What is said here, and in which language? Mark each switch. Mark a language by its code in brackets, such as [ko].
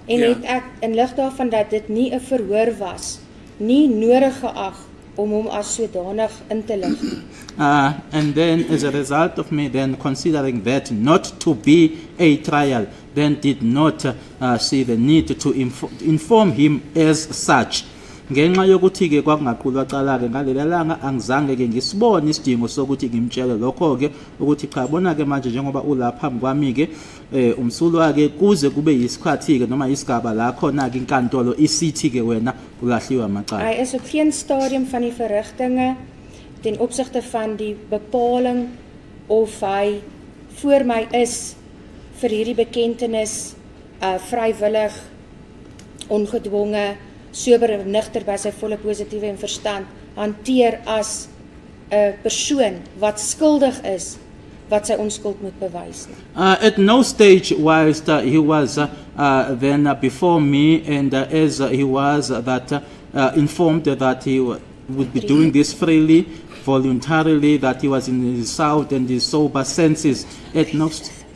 [af] En het ek in lig daarvan dat dit nie 'n verhoor was nie nodig geag om hom as sodanig in te lig. [en] And then as a result of me then considering that not to be a trial, then did not see the need to inform him as such. [zu] Ngenxa yokuthi ke kwakungaqulwa cala ke ngalela langa angizange ke ngisibone isidingo sokuthi ngimtshele lokho ke ukuthi cha bona ke manje njengoba ulapha ngwami ke umsulwa ke kuze kube yisikhathi ke noma isigaba la khona ke inkantolo isithi ke wena ulahliwa amacala. [af] Hy is op geen stadium van die verrigtinge ten opsigte van die bepaling of hy voor my is vir hierdie bekentenis vrywillig ongedwonge sober en nigter by sy volle positiewe en verstand hanteer as 'n persoon wat skuldig is wat sy onskuld moet bewys. [en] At no stage whilst he was then before me and as he was that informed that he would be doing this freely, voluntarily, that he was in his sound and his sober senses, at no stage.